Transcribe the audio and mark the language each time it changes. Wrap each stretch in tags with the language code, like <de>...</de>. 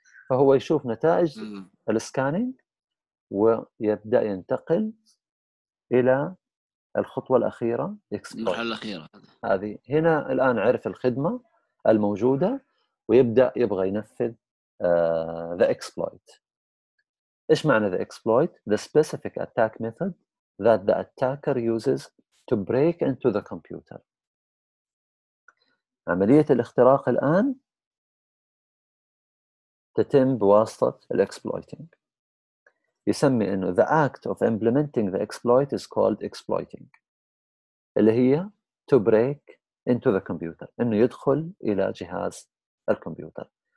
<ar>فهو يشوف نتائج السكانينج ويبدأ ينتقل الى الخطوة الاخيرة، المرحلة الاخيرة هذه. هنا الان عرف الخدمة الموجودة ويبدأ يبغى ينفذ the exploit. ايش معنى</ar> <en>the exploit؟ the specific attack method that the attacker uses to break into the computer.</en> <ar>عملية الاختراق الآن تتم بواسطة الإكسبلويتينج. يسمي إنه</ar> <en>the act of implementing the exploit is called exploiting،</en> <ar>اللي هي</ar> <en>to break into the computer،</en> <ar>إنه يدخل إلى جهاز الكمبيوتر.</ar>